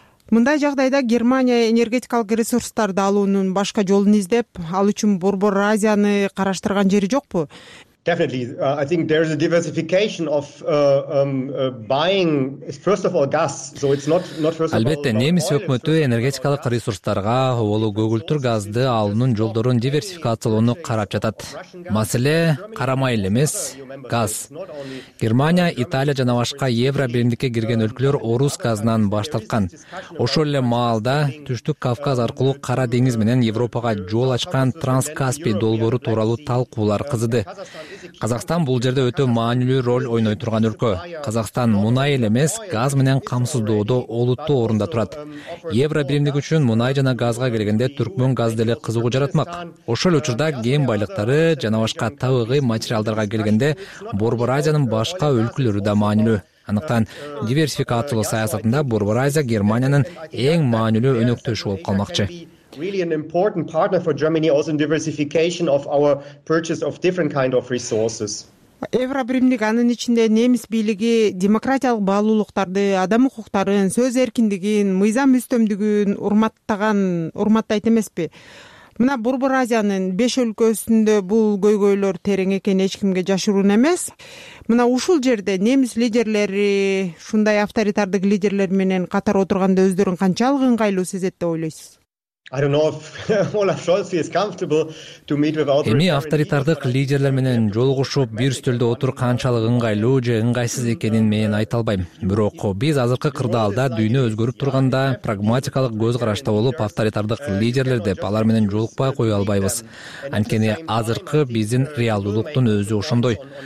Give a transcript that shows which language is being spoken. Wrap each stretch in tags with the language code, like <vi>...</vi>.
<ky>Мындай жагдайда Германия энергетикалык ресурстарды алуунун башка жолун издеп, ал үчүн Борбор Азияны караштырган жери жокпу?</ky> <en>Definitely. I think there is a diversification of buying first of all gas. So it's not first of all.</en> <ky>Албетте, немис өкмөтү энергетикалык ресурстарга, оолу көгүлтүр газды алуунун жолдорун диверсификациялоону карап жатат. Маселе карамай эле эмес, газ. Германия, Италия жана башка Евробиримдикке кирген өлкөлөр орус газынан баш тарткан. Ошол эле маалда Түштүк Кавказ аркылуу Кара деңиз менен Европага жол ачкан Транскаспий долбоору тууралуу талкуулар кызыды. Казакстан бул жерде өтө маанилүү роль ойной турган өлкө. Казакстан мунай эле эмес, газ менен камсыздоодо олуттуу орунда турат. Евро биримдиги үчүн мунай жана газга келгенде түркмөн газ деле кызыгуу жаратмак. Ошол учурда кен байлыктары жана башка табигый материалдарга келгенде Борбор Азиянын башка өлкөлөрү да маанилүү. Андыктан диверсификациялуу саясатында Борбор Азия Германиянын эң маанилүү өнөктөшү болуп калмакчы.</ky> <en>Really an important partner for Germany also in diversification of our purchase of different kind of resources.</en> <ky>Евро биримдик анын ичинде немис бийлиги демократиялык баалуулуктарды, адам укуктарын, сөз эркиндигин, мыйзам үстөмдүгүн урматтайт эмеспи? Мына Борбор Азиянын 5 өлкөсүндө бул көйгөйлөр терең экен эч кимге жашыруун эмес. Мына ушул жерде немис лидерлери ушундай авторитардык лидерлер менен катар отурганда өздөрүн канчалык ыңгайлуу сезет деп ойлойсуз?</ky> <en>I don't know if Olaf Scholz is comfortable to meet with other</en> <ky>эми авторитардык лидерлер менен жолугушуп, бир үстөлдө отуруу канчалык ыңгайлуу же ыңгайсыз экенин мен айта албайм. Бирок биз азыркы кырдаалда дүйнө өзгөрүп турганда прагматикалык көз карашта болуп, авторитардык лидерлер деп алар менен жолукпай кое албайбыз. Анткени азыркы биздин реалдуулуктун өзү ошондой.</ky>